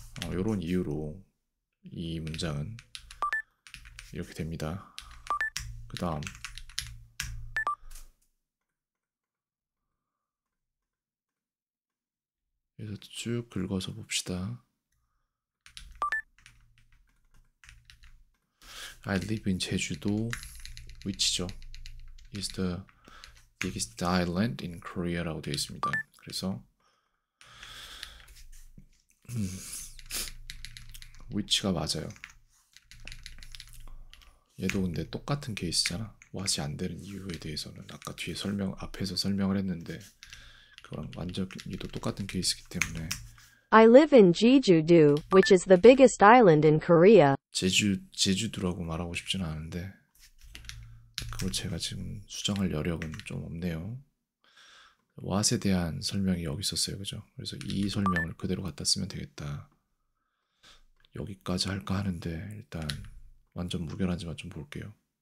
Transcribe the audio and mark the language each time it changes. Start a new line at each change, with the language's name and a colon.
Korean: 이런 이유로 이 문장은 이렇게 됩니다. 그 다음 그래서 쭉 긁어서 봅시다.
English: I live in 제주도
Korean: 위치죠.
English: It's the biggest island in Korea라고
Korean: 되어 있습니다. 그래서 위치가 맞아요. 얘도 근데 똑같은 케이스잖아. What이 안 되는 이유에 대해서는 아까 뒤에 설명 앞에서 설명을 했는데 완전히도 똑같은 케이스이기 때문에
English: I live in Jeju-do, which is the biggest island in Korea.
Korean: 제주도라고 말하고 싶지는 않은데 그걸 제가 지금 수정할 여력은 좀 없네요. What에 대한 설명이 여기 있었어요. 그죠? 그래서 이 설명을 그대로 갖다 쓰면 되겠다. 여기까지 할까 하는데 일단 완전 무결한지만 좀 볼게요.